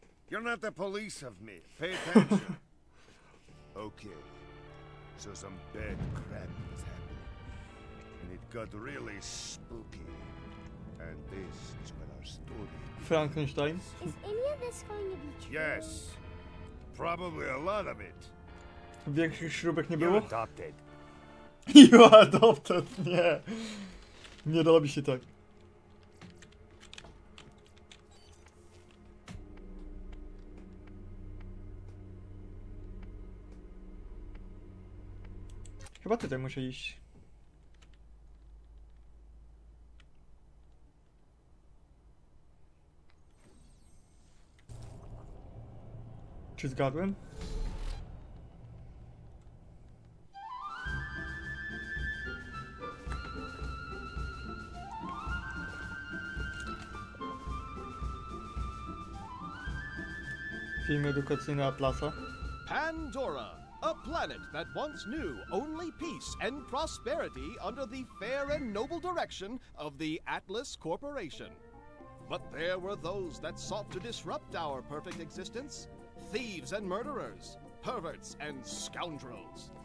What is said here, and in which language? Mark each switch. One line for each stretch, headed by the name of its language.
English: You're not the police of me. Pay attention. Okay. So some bad crap was happening. And it got really spooky. And this is when our story... Frankenstein? Is any of this going to be true? Yes. Probably a lot of it.
Polish: Większych śrubek nie było?
English: You adopted. You adopted?
Polish: Nie. Nie robi się tak. Chyba tutaj muszę iść. Czy zgadłem? Film edukacyjny Atlasa.
English: Pandora. A planet that once knew only peace and prosperity under the fair and noble direction of the Atlas Corporation. But there were those that sought to disrupt our perfect existence. Thieves and murderers, perverts and scoundrels.